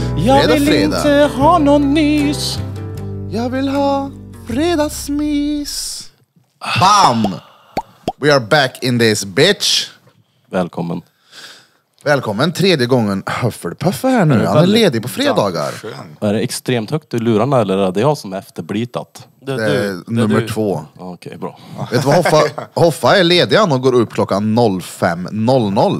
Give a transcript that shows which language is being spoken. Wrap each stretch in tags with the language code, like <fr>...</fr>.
<sv>Jag vill inte ha någon nys. Jag vill ha fredagsmys. Bam!</sv> <en>We are back in this bitch.</en> <sv>Välkommen. Välkommen, tredje gången Hufflepuffe här nu. Han är ledig på fredagar. Ja, är det extremt högt i lurarna eller är det jag som är efterblitat? Det är du. Nummer det är du. Två. Okej, okay, bra. Vet du vad Hoffa är ledig och går upp klockan 05.00.</sv>